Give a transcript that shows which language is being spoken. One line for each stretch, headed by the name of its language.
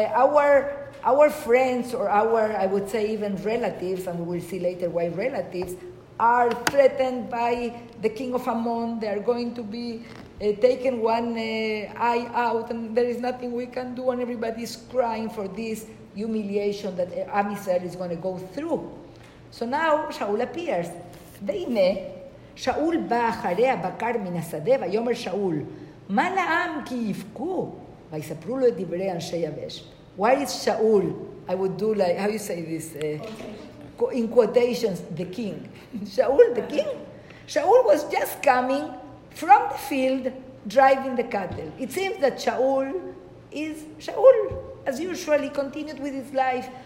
English: Our friends, or our, I would say, even relatives, and we will see later why relatives, are threatened by the king of Ammon. They are going to be taken one eye out, and there is nothing we can do, and everybody is crying for this humiliation that Am Yisrael is going to go through. So now Shaul appears.
Hebrew: והנה, שאול בא אחרי הבקר מן השדה, ויאמר שאול, מה לעם כי יפקו? ויספרו לו את דברי אנשי יבש.
English: Why is Shaul, I would do like, how you say this? In quotations, the king. Shaul, the king? Shaul was just coming from the field, driving the cattle. It seems that Shaul is Shaul. As usual, he continued with his life.